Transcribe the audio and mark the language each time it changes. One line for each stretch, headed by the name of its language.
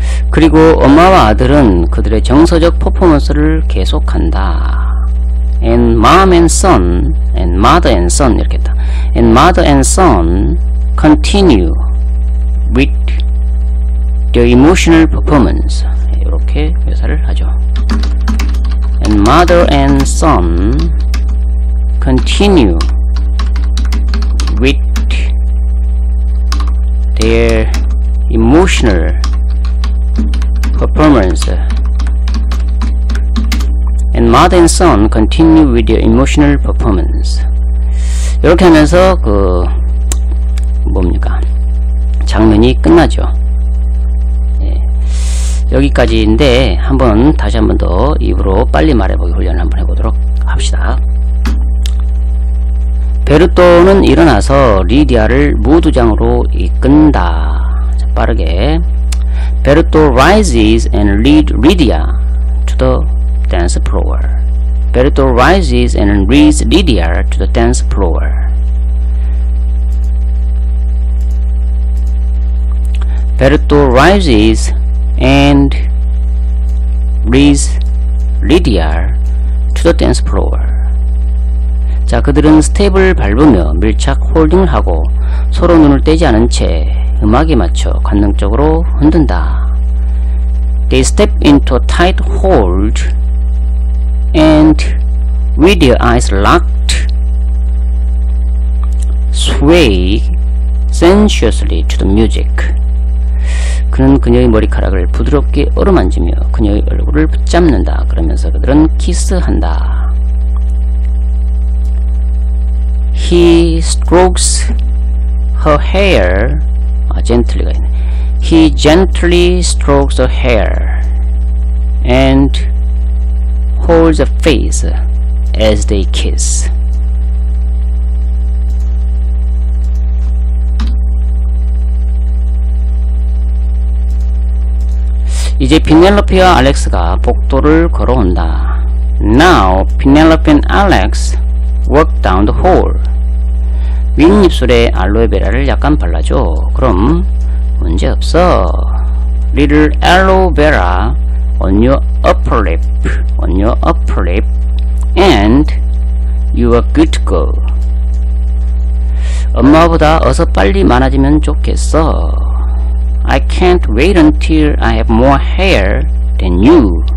Korean: 그리고 엄마와 아들은 그들의 정서적 퍼포먼스를 계속한다.
English: And mom and son, and mother and son
Korean: 이렇게 했다.
English: And mother and son continue with the emotional performance.
Korean: 이렇게 묘사를 하죠.
English: And mother and son continue with their emotional performance. And mother and son continue with their emotional performance.
Korean: 이렇게 하면서 그 뭡니까? 장면이 끝나죠. 여기까지인데 한번 다시 한번 더 입으로 빨리 말해보기 훈련을 한번 해보도록 합시다. 베르토는 일어나서 리디아를 무두장으로 이끈다. 자, 빠르게
English: 베르토 rises and leads Lydia to the dance floor. 베르토 rises and leads Lydia to the dance floor. 베르토 rises and leads Lydia to the dance floor.
Korean: 자, 그들은 스텝을 밟으며 밀착 홀딩을 하고 서로 눈을 떼지 않은 채 음악에 맞춰 관능적으로 흔든다.
English: They step into a tight hold and with their eyes locked sway sensuously to the music.
Korean: 그는 그녀의 머리카락을 부드럽게 어루만지며 그녀의 얼굴을 붙잡는다. 그러면서 그들은 키스한다.
English: He strokes her hair.
Korean: 아, gently가 있네.
English: He gently strokes her hair and holds her face as they kiss.
Korean: 이제 피넬로페와 알렉스가 복도를 걸어온다.
English: Now Penelope and Alex walk down the hall.
Korean: 윗 입술에 알로에베라를 약간 발라줘. 그럼 문제 없어.
English: Little aloe vera on your upper lip, on your upper lip, and you are good to go.
Korean: 엄마보다 어서 빨리 많아지면 좋겠어.
English: I can't wait until I have more hair than you.